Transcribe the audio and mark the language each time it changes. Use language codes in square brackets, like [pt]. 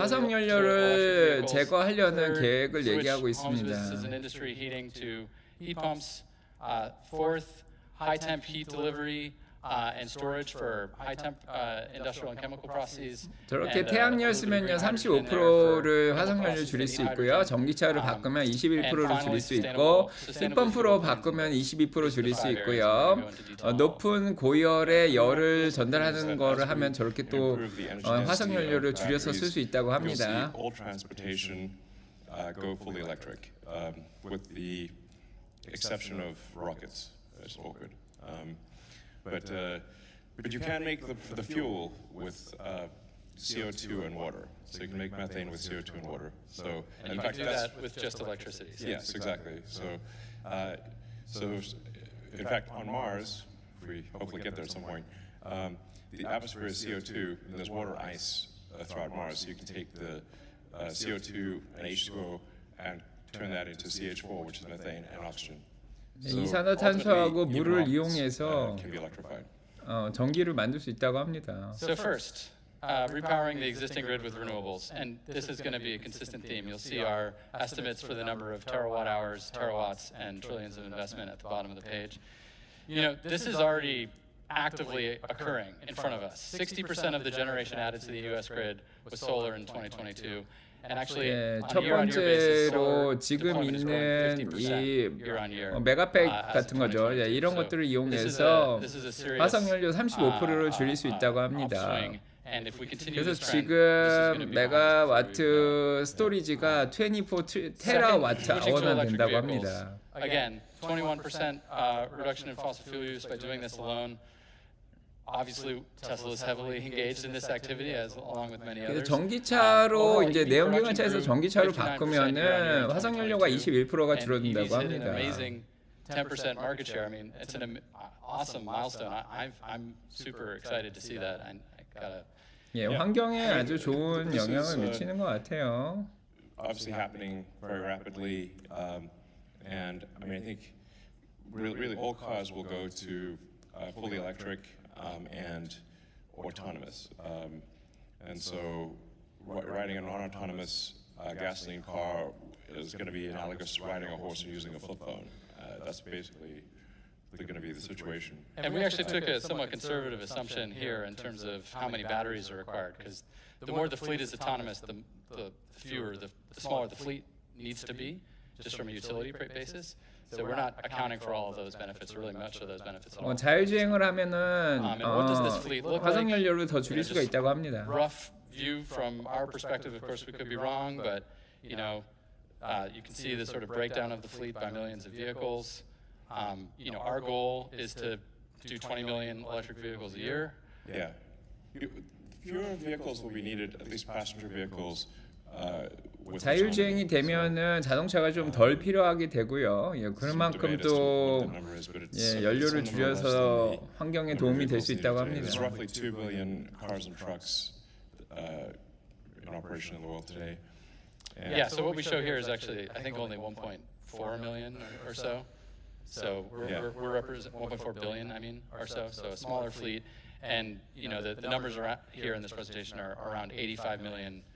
[ko] 화석 연료를 제거하려는 계획을 얘기하고 있습니다. [en] This is an industry heating to heat pumps. Fourth, high temp heat delivery and storage for high temp industrial and chemical processes. [ko] 저렇게 태양열 쓰면요 35%를 화석 연료 줄일 수 있고요. 전기차로 바꾸면 21%를 줄일 수 있고 핏 펌프로 바꾸면 22% 줄일 수 있고요. 높은 고열의 열을 전달하는 거를 하면 저렇게 또 화석 연료를 줄여서 쓸 수 있다고 합니다. [en] Go fully electric with the exception of rockets. It's awkward. But you can make the fuel with CO2 and water. So you can make methane with CO2 and water. So and you can do that with just electricity. Yes, exactly. So so in fact, on Mars, if we hopefully get there at some point, the atmosphere is CO2, and there's water ice throughout Mars. So you can take the CO2 and H2O and turn that into CH4, which is methane and oxygen. [ko] 이산화탄소하고 물을 이용해서 전기를 만들 수 있다고 합니다. [en] So first, repowering the existing grid with renewables, and this is going to be a consistent theme. You'll see our estimates for the number of terawatt hours, terawatts, and trillions of investment at the bottom of the page. You know, this is already actively occurring in front of us. 60% of the generation added to the U.S. grid was solar in 2022. And actually, [ko] 예, 첫 번째로 지금 있는 이 메가팩 같은 거죠. 예, 이런 so 것들을 이용해서 화석 연료 35%를 줄일 수 있다고 합니다. 그래서 지금 메가와트 스토리지가 24테라와트 아워나 된다고 합니다. [en] Again, 21% reduction in fossil fuel use by doing this alone. Obviously, Tesla is heavily engaged in this activity, as along with many others. [ko] 전기차로 이제 내연기관차에서 전기차로 바꾸면은 화석 연료가 21%가 줄어든다고 합니다. [en] Amazing 10% market share. I mean, it's an awesome milestone. I'm super excited to see that. [ko] Yeah, 예, 환경에 아주 좋은 영향을 미치는 것 같아요. [en] Obviously, happening very rapidly, and I mean, I think really all cars will go to fully electric. And autonomous. And so riding a non-autonomous gasoline car is going to be analogous to riding a horse using a flip phone. That's basically going to be the situation. And we actually took a somewhat conservative assumption here in terms of how many batteries are required, because the more the fleet is autonomous, the smaller the fleet needs to be, just from a utility rate basis. So we're not accounting for all of those benefits, really much of those benefits at all. [ko] 자율주행을 하면은 화석 연료를 더 줄일 수가 있다고 합니다. [en] Rough view from our perspective, of course we could be wrong, but you know, you can see the sort of breakdown of the fleet by millions of vehicles. You know, our goal is to do 20 million electric vehicles a year. Yeah. Fewer vehicles will be needed, at least passenger vehicles. [ko] 자율주행이 되면은 자동차가 좀 덜 필요하게 되고요. 예, 그만큼 또 예, 연료를 줄여서 환경에 도움이 될 수 있다고 합니다. [en] There's roughly 2 billion cars and trucks in operation in the world today. Yeah, so what we show here is actually I think only 1.4 million or so. So we're representing 1.4 billion, I mean, or so. So a smaller fleet, and you know the numbers are here in this presentation are around 85 million.